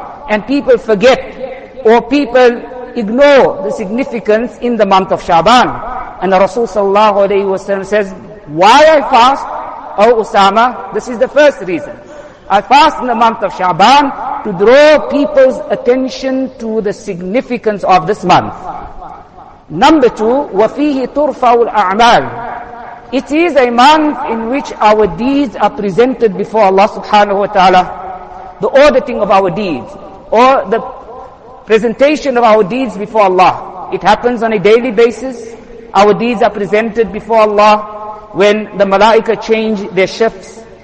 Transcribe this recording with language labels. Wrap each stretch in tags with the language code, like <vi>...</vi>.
<en>And people forget, or people ignore the significance in the month of Sha'ban. And the Rasul sallallahu alayhi wa sallam says, why I fast, O Usama? This is the first reason. I fast in the month of Sha'ban to draw people's attention to the significance of this month.</en> <ar>Number two, وَفِيهِ تُرْفَعُ الْأَعْمَالِ.</ar> <en>It is a month in which our deeds are presented before Allah subhanahu wa ta'ala. The auditing of our deeds, or the presentation of our deeds before Allah. It happens on a daily basis. Our deeds are presented before Allah when the malaika change their shifts.</en>